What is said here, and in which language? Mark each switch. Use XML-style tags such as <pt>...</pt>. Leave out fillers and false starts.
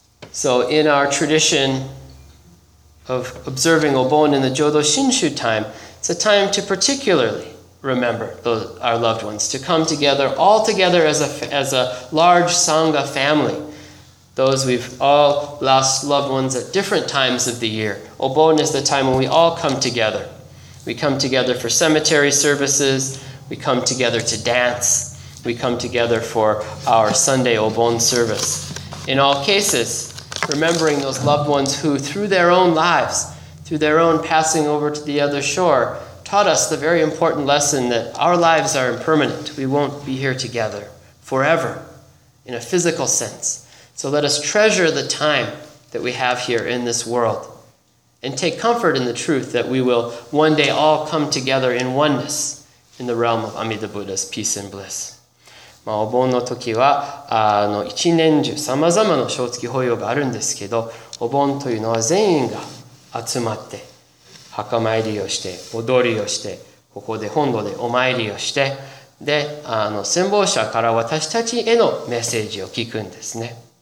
<en>So in our tradition, of observing Obon in the Jodo Shinshu time, it's a time to particularly remember our loved ones, to come together, all together as a large Sangha family. Those we've all lost loved ones at different times of the year. Obon is the time when we all come together. We come together for cemetery services. We come together to dance. We come together for our Sunday Obon service. In all cases, remembering those loved ones who, through their own lives, through their own passing over to the other shore, taught us the very important lesson that our lives are impermanent. We won't be here together forever in a physical sense. So let us treasure the time that we have here in this world and take comfort in the truth that we will one day all come together in oneness in the realm of Amida Buddha's peace and bliss.</en> <ja>まあ、お盆の時は一年中さまざまな正月法要があるんですけど、お盆というのは全員が集まって墓参りをして、踊りをして、ここで本堂でお参りをして、で先方者から私たちへのメッセージを聞くんですね。</ja>